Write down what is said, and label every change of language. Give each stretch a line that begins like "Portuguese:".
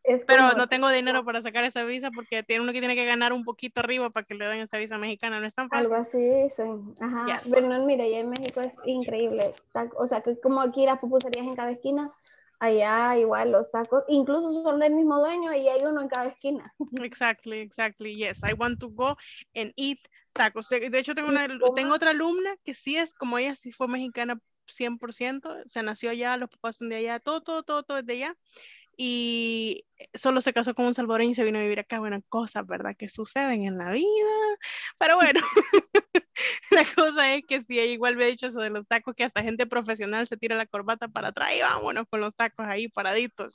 Spanish: Pero no tengo dinero para sacar esa visa porque tiene uno que tiene que ganar un poquito arriba para que le den esa visa mexicana. No es tan fácil. Algo así, sí. Ajá. Yes. Bueno, mira, allá en México es increíble. O sea, que como aquí las pupuserías en cada esquina, allá igual los tacos. Incluso son del mismo dueño y hay uno en cada esquina.
English: Exactly. Yes, I want to go and eat tacos.
Spanish: De hecho, tengo otra alumna que sí es como ella, sí fue mexicana 100%, o sea, nació allá, los papás son de allá, todo es de allá, y solo se casó con un salvadoreño y se vino a vivir acá. Bueno, cosas, ¿verdad?, que suceden en la vida, pero bueno, la cosa es que sí, igual me ha dicho eso de los tacos, que hasta gente profesional se tira la corbata para atrás y vámonos con los tacos ahí paraditos.